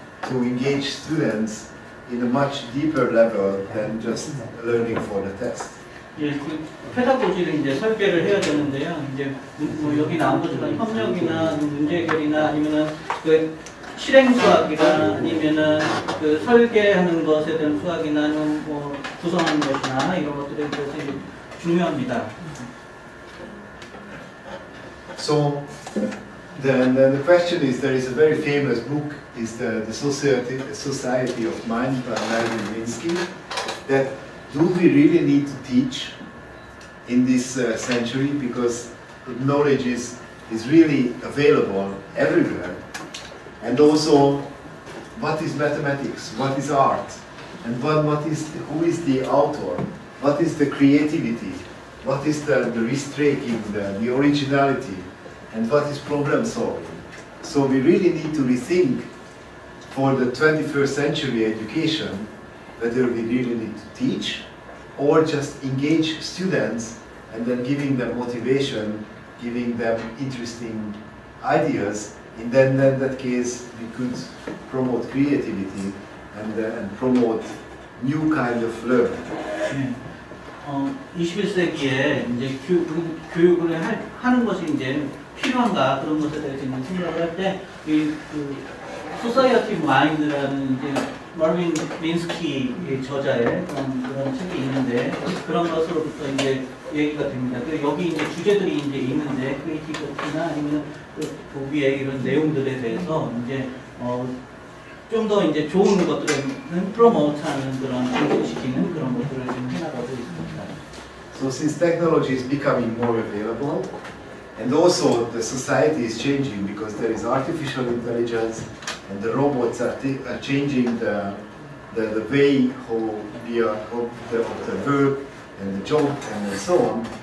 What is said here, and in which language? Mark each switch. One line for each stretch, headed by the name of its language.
English: To engage students in a much deeper level than just learning for the test.
Korean: 예, 그 페다고지를 이제 설계를 해야 되는데요. 이제 뭐 여기 나온 것처럼 협력이나 문제 해결이나 아니면은 그 실행 수학이나 아니면은 그 설계하는 것에 대한 수학이나 아니면 뭐 구성하는 것이나 이런 것들에 대해서 중요합니다.
English: So. Then the question is, there is a very famous book, is the Society of Mind by Larry Minsky, that do we really need to teach in this century, because knowledge is really available everywhere. And also, what is mathematics? What is art? And who is the author? What is the creativity? What is the risk-taking, the originality? And what is problem solving? So we really need to rethink for the 21st century education whether we really need to teach or just engage students and then giving them motivation, giving them interesting ideas. And then in that case, we could promote creativity and promote new kind of learning.
Korean: 21세기에 이제 교육을 하는 것이 이제 필요한가 그런 것에 대해서 이제 생각을 할 때 이 그 소사이어티 마인드라는 이제 머빈 민스키의 저자의 그런 책이 있는데 그런 것으로부터 이제 얘기가 됩니다. 그 여기 이제 주제들이 이제 있는데 크리티컬이나 아니면 그 도비의 이런 내용들에 대해서 이제 좀 더 이제 좋은 것들은 프로모트하는 그런 시키는 그런 것들을 좀 해나가고 있습니다.
English: So since technology is becoming more available and also the society is changing because there is artificial intelligence and the robots are changing the way how we are of the work and the job and so on.